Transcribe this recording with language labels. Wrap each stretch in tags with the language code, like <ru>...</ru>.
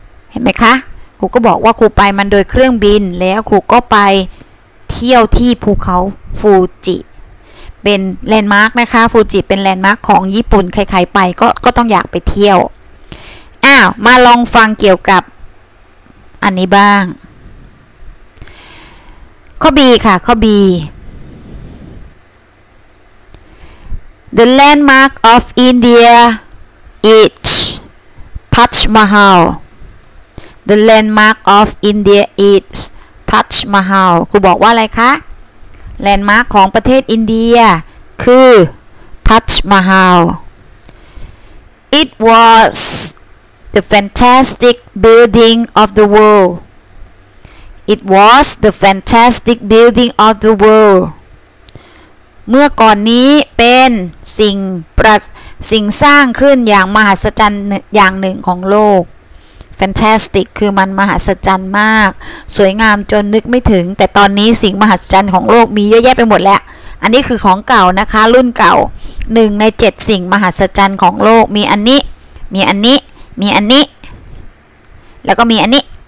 <th>เห็นไหมคะครูก็บอกว่าครูไปมันโดยเครื่องบินแล้วครูก็ไปเที่ยวที่ภูเขาฟูจิเป็นแลนด์มาร์กนะคะฟูจิเป็นแลนด์มาร์กของญี่ปุ่นใครๆไปก็ต้องอยากไปเที่ยวอ้าวมาลองฟังเกี่ยวกับอันนี้บ้างข้อ B ค่ะข้อ B</th> <en>The landmark of India is Taj Mahal. The landmark of India is Taj Mahal.</en> <th>ครูบอกว่าอะไรคะแลนด์มาร์คของประเทศอินเดียคือ Taj Mahal.</th> <en>It was the fantastic building of the world. It was the fantastic building of the world.</en> <th>เมื่อก่อนนี้เป็นสิ่งสร้างขึ้นอย่างมหัศจรรย์อย่างหนึ่งของโลก Fantastic คือมันมหัศจรรย์มากสวยงามจนนึกไม่ถึงแต่ตอนนี้สิ่งมหัศจรรย์ของโลกมีเยอะแยะไปหมดแล้วอันนี้คือของเก่านะคะรุ่นเก่า1ใน7สิ่งมหัศจรรย์ของโลกมีอันนี้มีอันนี้มีอันนี้แล้วก็มีอันนี้</th>